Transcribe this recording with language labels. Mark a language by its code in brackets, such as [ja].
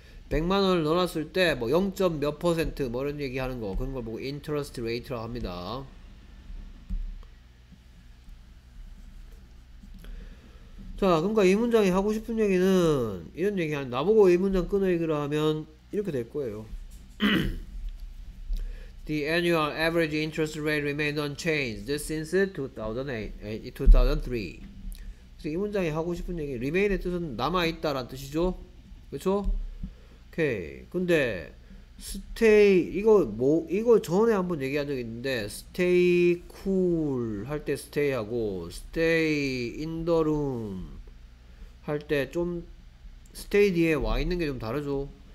[ko] 100만 원을 넣어놨을 때뭐 0. 몇 퍼센트 뭐 이런 얘기하는 거, 그런 걸 보고 interest rate라고 합니다. 자, 그러니까 이 문장이 하고 싶은 얘기는 이런 얘기하는, 나보고 이 문장 끊어 읽으라 하면 이렇게 될 거예요. [en] The annual average interest rate remained unchanged since 2008, 2003. [ko] 그래서 이 문장이 하고 싶은 얘기, remain의 뜻은 남아있다란 뜻이죠? 그쵸? 오케이. 근데, stay, 이거 뭐, 이거 전에 한번 얘기한 적 있는데, [en] stay cool [ko] 할때 stay 하고, [en] stay in the room [ko] 할때 좀, stay 뒤에 와 있는 게좀 다르죠?